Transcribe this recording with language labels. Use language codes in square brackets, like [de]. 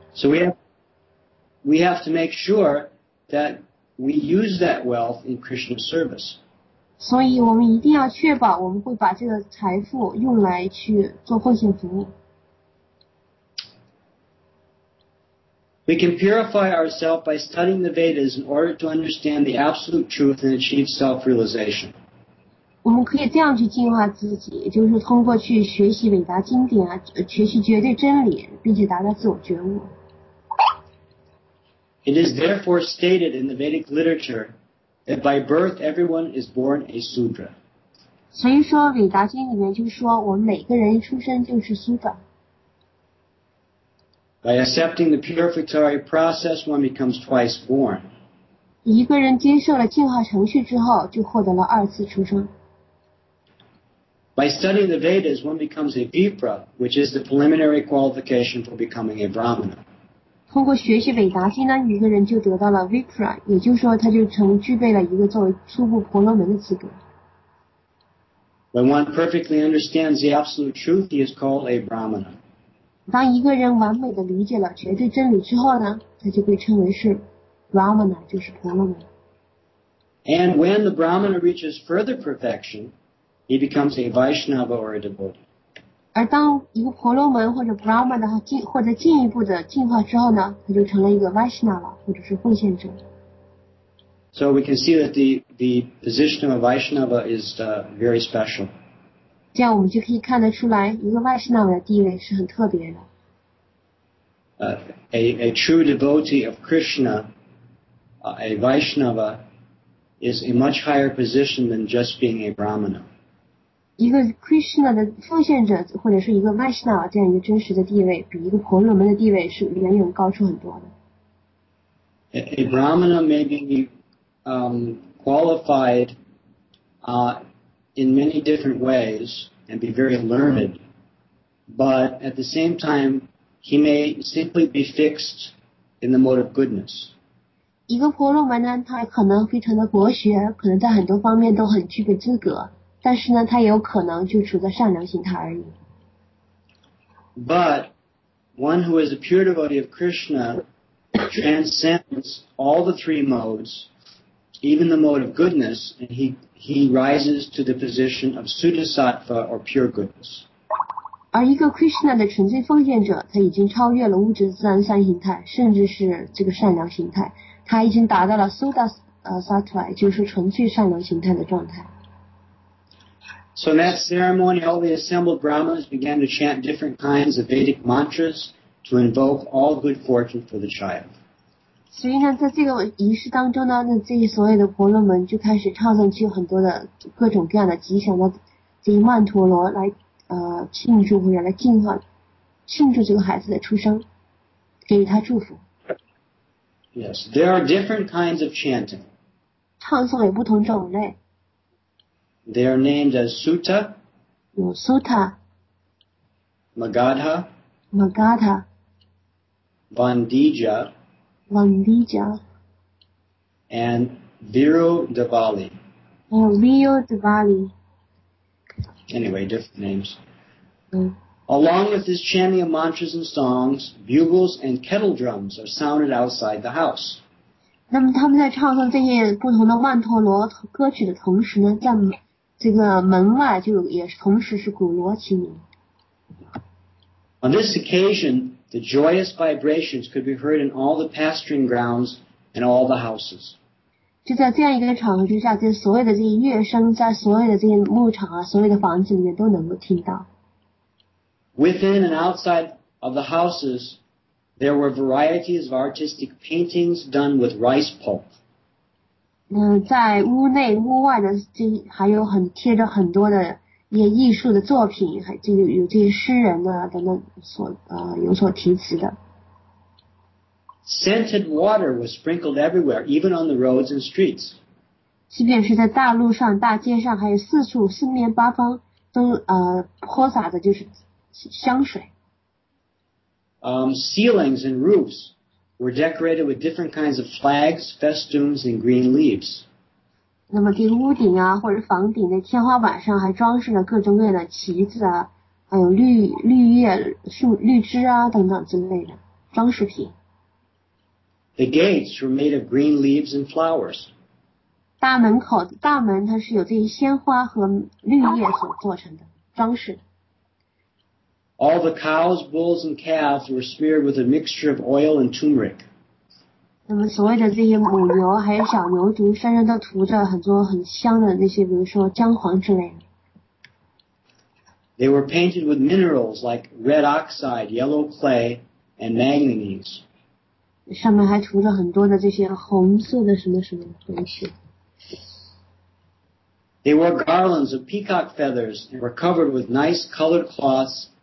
[en] So we have to make sure that we use that wealth in Krishna's service. [zh] 所以我们一定要确保我们会把这个财富用来去做奉献服务。 [en] We can purify ourselves by studying the Vedas in order to understand the absolute truth and achieve self-realization. [zh] 我们可以这样去净化自己，就是通过去学习伟大经典啊，学习绝对真理，并且达到自我觉悟。 [en] It is therefore stated in the Vedic literature that by birth everyone is born a sudra. [zh] 所以说，伟大经里面就是说，我们每个人一出生就是 sudra。 [en] By accepting the purificatory process, one becomes twice born. [zh] 一个人接受了净化程序之后，就获得了二次出生。 [en] By studying the Vedas, one becomes a vipra, which is the preliminary qualification for becoming a brahmana. [zh] 通过学习韦达经呢，一个人就得到了 vipra， 也就是说，他就具备了一个作为初步婆罗门的资格。 [en] When one perfectly understands the absolute truth, he is called a brahmana. [zh] 当一个人完美的理解了绝对真理之后呢，他就被称为是 Brahmana， 就是婆罗门。 [en] And when the Brahmana reaches further perfection, he becomes a Vaishnava or a devotee. [zh] 而当一个婆罗门或者 Brahmana 或者进一步的进化之后呢，他就成了一个 Vaishnava 或者是奉献者。 [en] So we can see that the position of a Vaishnava is very special. [zh] 这样我们就可以看得出来，一个 Vaishnava 的地位是很特别的。 [en] A true devotee of Krishna, a Vaishnava, is a much higher position than just being a Brahmana. [zh] 一个 Krishna 的奉献者，或者是一个 Vaishnava 这样一个真实的地位，比一个婆罗门的地位是远远高出很多的。 [en] A Brahmana may be qualified. In many different ways and be very learned, but at the same time, he may simply be fixed in the mode of goodness. [zh] 一个婆罗门呢，他可能非常的博学，可能在很多方面都很具备资格，但是呢，他也有可能就处在善良心态而已。 [en] But one who is a pure devotee of Krishna transcends all the three modes, even the mode of goodness, and he rises to the position of Sudasattva or pure goodness. [zh] 而一个 Krishna 的纯粹奉献者，他已经超越了物质自然三形态，甚至是这个善良形态，他已经达到了 Soda Sattva， 就是纯粹善良形态的状态。 [en] So in that ceremony, all the assembled Brahmas began to chant different kinds of Vedic mantras to invoke all good fortune for the child. [zh] 所以呢，在这个仪式当中呢，那这些所有的婆罗门就开始唱上去很多的各种各样的吉祥的这些曼陀罗来庆祝或者来净化，庆祝这个孩子的出生，给予他祝福。 [en] Yes, there are different kinds of chanting. [zh] 唱诵有不同种类。 [en] They are named as Sutta, [zh] 有 Sutta, [en] Magadha, [zh] Magadha, [en] Vandija, [zh] Vandija, [en] and Virudhavali. Oh, Virudhavali. Anyway, different names. Along with this chanting of mantras and songs, bugles and kettle drums are sounded outside the house. [zh] 那么他们在唱诵这些不同的曼陀罗歌曲的同时呢，在这个门外就也同时是鼓锣齐鸣。 [en] On this occasion, the joyous vibrations could be heard in all the pasturing grounds and all the houses. [zh] 就在这样一个场合之下，就所有的这些乐声在所有的这些牧场啊，所有的房子里面都能够听到。 [en] Within and outside of the houses. There were varieties of artistic paintings done with rice pulp. [zh] 在屋内屋外的这还有很贴着很多的一些艺术的作品，还这个有这些诗人呢等等所有所题词的。 [en] Scented water was sprinkled everywhere, even on the roads and streets. [zh] 即便是在大路上、大街上，还有四处四面八方都泼洒的就是香水。 [en] Ceilings and roofs were decorated with different kinds of flags, festoons, and green leaves. [zh] 那么这个屋顶啊，或者房顶的天花板上还装饰了各种各样的旗子啊，还有绿叶、树绿枝啊等等之类的装饰品。 [en] The gates were made of green leaves and flowers. [zh] 大门它是有这些鲜花和绿叶所做成的装饰。 [en] All the cows, bulls, and calves were smeared with a mixture of oil and turmeric. [zh] 那么所谓的这些母牛还有小牛犊身上都涂着很多很香的那些，比如说姜黄之类的。 [en] They were painted with minerals like red oxide, yellow clay, and manganese. [zh] 上面还涂着很多的这些红色的什么什么东西。 [en] They wore garlands of peacock feathers and were covered with nice colored cloths.